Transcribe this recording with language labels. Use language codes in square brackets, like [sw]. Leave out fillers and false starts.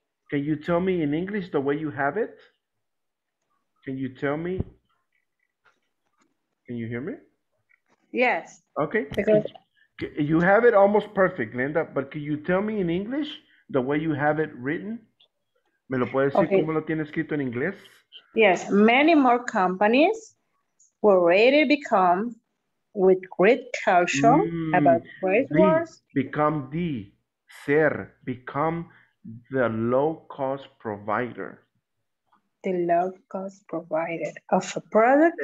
[en] Can you tell me in English the way you have it? Can you tell me? Can you hear me? Yes. Okay. You have it almost perfect, Glenda, but can you tell me in English the way you have it written? [es] ¿Me lo puedes decir cómo lo tiene escrito en inglés? [en] Yes, many more companies were ready to become with great caution about price wars. Become the, ser, become the low-cost provider. The low-cost provider of a product.